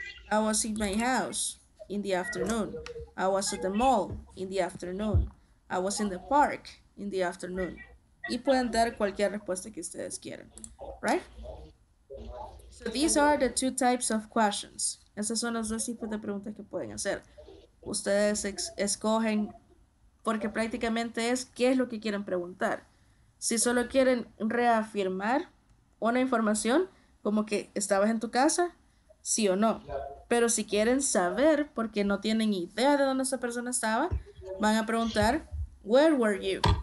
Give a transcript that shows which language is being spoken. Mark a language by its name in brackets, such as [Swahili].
[English] I was in my house in the afternoon. I was at the mall in the afternoon. I was in the park in the afternoon. [Spanish] Y pueden dar cualquier respuesta que ustedes quieran, right? [English] So these are the two types of questions. [Spanish] Esas son los dos tipos de preguntas que pueden hacer. Ustedes escogen, porque prácticamente es qué es lo que quieren preguntar. Si solo quieren reafirmar una información, como que estabas en tu casa, sí o no. Pero si quieren saber, porque no tienen idea de dónde esa persona estaba, van a preguntar, where were you?